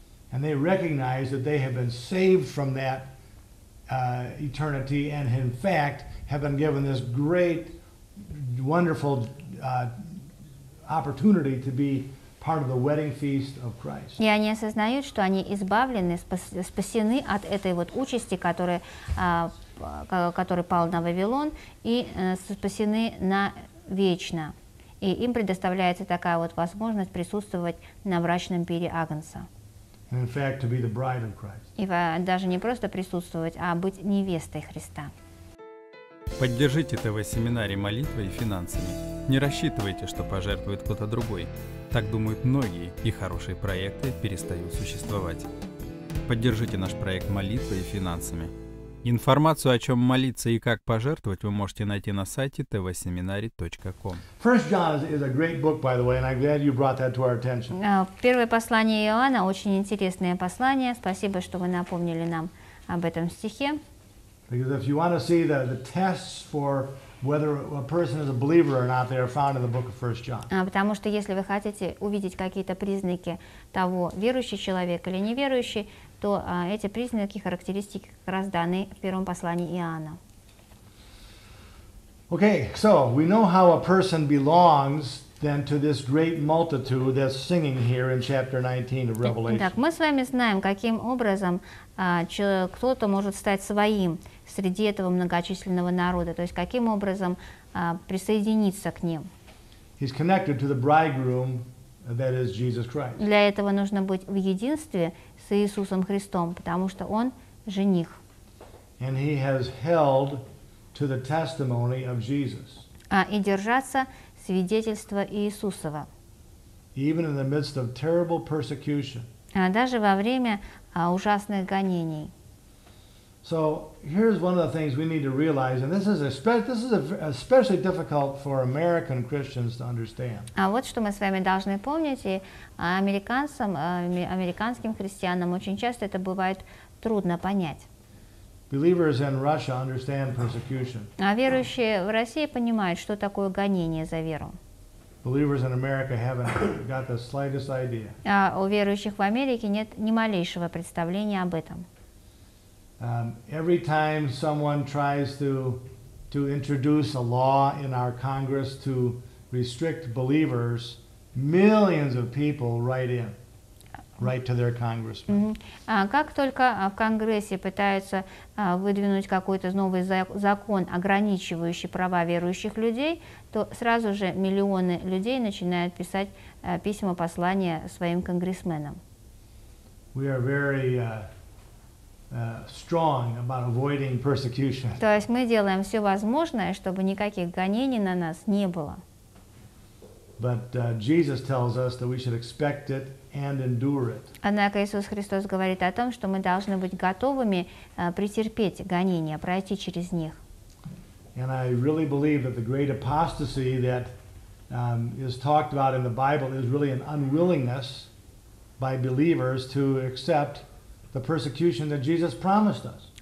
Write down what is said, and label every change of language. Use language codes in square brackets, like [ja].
[en] And they recognize that they have been saved from that eternity, and in fact have been given this great, wonderful opportunity to be part of the wedding feast of Christ. [ru] И они осознают, что они избавлены, спасены от этой вот участи, который пал на Вавилон, и спасены на вечно. И им предоставляется такая вот возможность присутствовать на брачном пире Агнца. [en] And in fact, to be the bride of Christ. [ru] И даже не просто присутствовать, а быть невестой Христа. Поддержите ТВ-семинарий молитвой и финансами. Не рассчитывайте, что пожертвует кто-то другой. Так думают многие, и хорошие проекты перестают существовать. Поддержите наш проект молитвой и финансами. Информацию, о чем молиться и как пожертвовать, вы можете найти на сайте tvseminary.com. [en] First John is a great book, by the way, and I'm glad you brought that to our attention. [ru] Первое послание Иоанна – очень интересное послание. Спасибо, что вы напомнили нам об этом стихе. [en] Because if you want to see the tests for whether a person is a believer or not, they are found in the book of First John. [ru] Потому что если вы хотите увидеть какие-то признаки того, верующий человек или неверующий, то эти признаки, характеристики как раз даны в первом послании Иоанна. [en] Okay, so we know how a person belongs then to this great multitude that's singing here in chapter 19 of Revelation. [ru] Так, мы с вами знаем, каким образом кто-то может стать своим среди этого многочисленного народа, то есть каким образом присоединиться к ним. [en] He's connected to the bridegroom, that is Jesus Christ. [ru] Для этого нужно быть в единстве с Иисусом Христом, потому что Он – жених. [en] And he has held to the testimony of Jesus. [ru] И держаться свидетельства Иисусова. [en] Even in the midst of terrible persecution. [ru] Даже во время ужасных гонений. [en] So here's one of the things we need to realize, and this is especially difficult for American Christians to understand. [ru] А вот что мы с вами должны помнить, и американцам, американским христианам очень часто это бывает трудно понять. [en] Believers in Russia understand persecution. [ru] А верующие в России понимают, что такое гонение за веру. [en] Believers in America haven't got the slightest idea. [ru] А у верующих в Америке нет ни малейшего представления об этом. [en] Every time someone tries to introduce a law in our Congress to restrict believers, millions of people write to their congressman. [ru] Как только в Конгрессе пытаются выдвинуть какой-то новый закон, ограничивающий права верующих людей, то сразу же миллионы людей начинают писать письма, послания своим конгрессменам. [en] We are very strong about avoiding persecution. [ru] То есть мы делаем все возможное, чтобы никаких гонений на нас не было. [en] But Jesus tells us that we should expect it and endure it. [ru] Однако Иисус Христос говорит о том, что мы должны быть готовыми претерпеть гонения, пройти через них. [en] And I really believe that the great apostasy that is talked about in the Bible is really an unwillingness by believers to accept the persecution that Jesus promised us.